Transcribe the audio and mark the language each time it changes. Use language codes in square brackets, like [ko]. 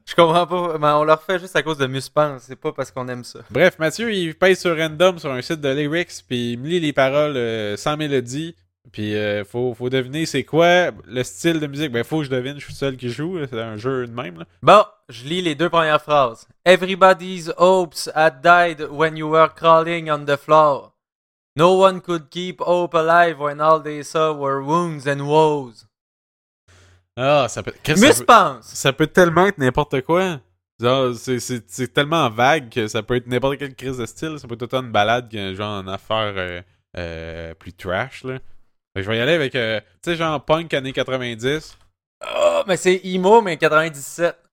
[fr] Je comprends pas, mais on le refait juste à cause de Muspense, c'est pas parce qu'on aime ça. Bref, Mathieu, il pèse sur random sur un site de lyrics, puis il me lit les paroles sans mélodie, puis faut deviner c'est quoi le style de musique. Ben faut que je devine, je suis seul qui joue, c'est un jeu de même. Là. Bon, je lis les deux premières phrases. [en] Everybody's hopes had died when you were crawling on the floor. No one could keep hope alive when all they saw were wounds and woes. [fr] Ah, ça peut. Qu'est-ce que Muspense! Ça peut tellement être n'importe quoi. Genre, c'est tellement vague que ça peut être n'importe quelle crise de style. Ça peut être autant une balade qu'un genre en affaire plus trash, là. Mais je vais y aller avec. Tu sais, genre punk années 90. Oh, mais c'est emo, mais 97.